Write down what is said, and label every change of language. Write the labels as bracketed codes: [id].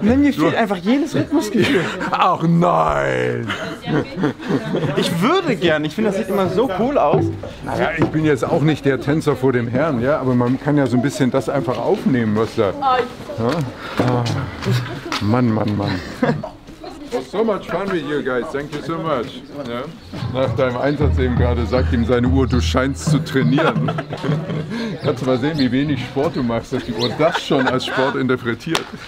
[de] Nimm dir einfach jedes Rhythmusgefühl. Ach nein. Ich würde gerne. Ich finde, das sieht immer so cool aus. Naja, ich bin jetzt auch nicht der Tänzer vor dem Herrn. Ja? Aber man kann ja so ein bisschen das einfach aufnehmen, was da... Ja? Mann. [en] So much fun with you guys, thank you so much. [de] Ja? Nach deinem Einsatz eben gerade sagt ihm seine Uhr, du scheinst zu trainieren. Kannst du mal sehen, wie wenig Sport du machst, dass die Uhr das schon als Sport interpretiert.